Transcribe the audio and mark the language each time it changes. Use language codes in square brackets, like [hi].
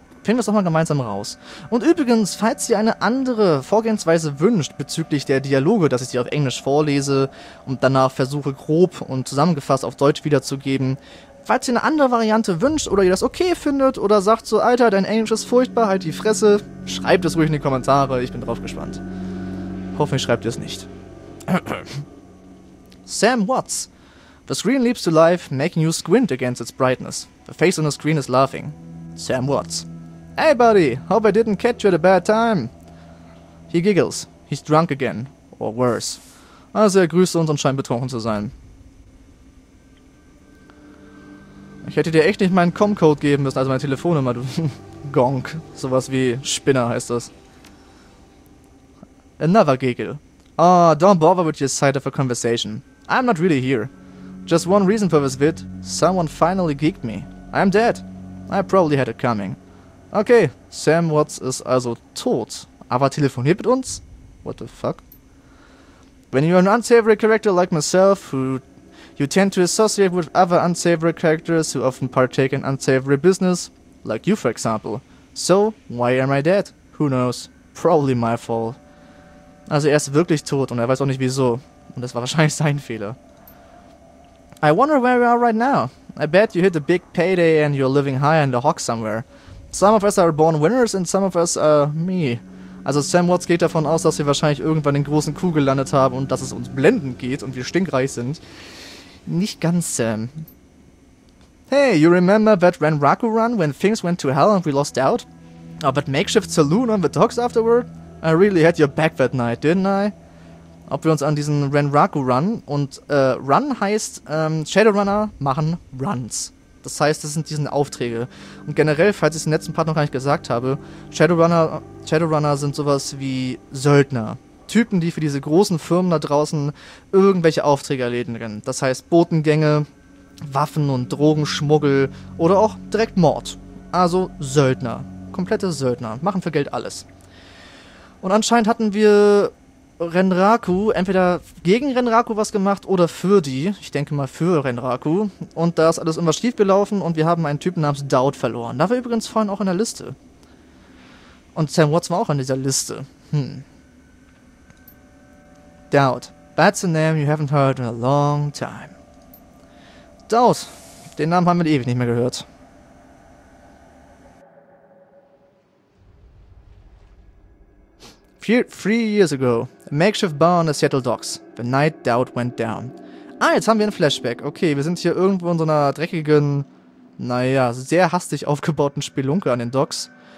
[de] Finden wir es doch mal gemeinsam raus. Und übrigens, falls ihr eine andere Vorgehensweise wünscht bezüglich der Dialoge, dass ich sie auf Englisch vorlese und danach versuche grob und zusammengefasst auf Deutsch wiederzugeben, falls ihr eine andere Variante wünscht oder ihr das okay findet oder sagt so, Alter, dein Englisch ist furchtbar, halt die Fresse, schreibt es ruhig in die Kommentare, ich bin drauf gespannt. Hoffentlich schreibt ihr es nicht. [en] Sam Watts. The screen leaps to life, making you squint against its brightness. The face on the screen is laughing. Sam Watts. Hey buddy, hope I didn't catch you at a bad time. He giggles. He's drunk again. Or worse. [de] Also er grüßt uns und scheint betrunken zu sein. Ich hätte dir echt nicht meinen Com-Code geben müssen, also meine Telefonnummer, du Gonk. Sowas wie Spinner heißt das. [en] Another giggle. Ah, oh, don't bother with your side of a conversation. I'm not really here. Just one reason for this vid. Someone finally geeked me. I'm dead. I probably had it coming. [de] Okay, Sam Watts ist also tot. Aber telefoniert mit uns? [en] What the fuck? When you're an unsavory character like myself, who... You tend to associate with other unsavory characters who often partake in unsavory business, like you for example. So, why am I dead? Who knows? Probably my fault. [de] Also er ist wirklich tot und er weiß auch nicht wieso. Und das war wahrscheinlich sein Fehler. [en] I wonder where we are right now. I bet you hit a big payday and you're living high in the hog somewhere. Some of us are born winners and some of us are me. [de] Also Sam Watts geht davon aus, dass wir wahrscheinlich irgendwann in großen Kuh gelandet haben und dass es uns blendend geht und wir stinkreich sind. Nicht ganz, Sam. [en] Hey, you remember that Renraku run when things went to hell and we lost out? Or that makeshift saloon on the docks afterward? I really had your back that night, didn't I? [de] Ob wir uns an diesen Renraku run und run heißt Shadowrunner machen Runs. Das heißt, das sind diese Aufträge. Und generell, falls ich es im letzten Part noch gar nicht gesagt habe, Shadowrunner sind sowas wie Söldner. Typen, die für diese großen Firmen da draußen irgendwelche Aufträge erledigen können. Das heißt Botengänge, Waffen- und Drogenschmuggel oder auch direkt Mord. Also Söldner. Komplette Söldner. Machen für Geld alles. Und anscheinend hatten wir Renraku entweder gegen Renraku was gemacht oder für die. Ich denke mal für Renraku. Und da ist alles immer schief gelaufen und wir haben einen Typen namens Doubt verloren. Da war übrigens vorhin auch in der Liste. Und Sam Watts war auch in dieser Liste. Doubt. [en] That's a name you haven't heard in a long time. Doubt. [de] Den Namen haben wir ewig nicht mehr gehört. [en] Three years ago, a makeshift bar on the Seattle docks. The night Doubt went down. [de] Ah, jetzt haben wir einen Flashback. Okay, wir sind hier irgendwo in so einer dreckigen, naja, sehr hastig aufgebauten Spelunke an den Docks.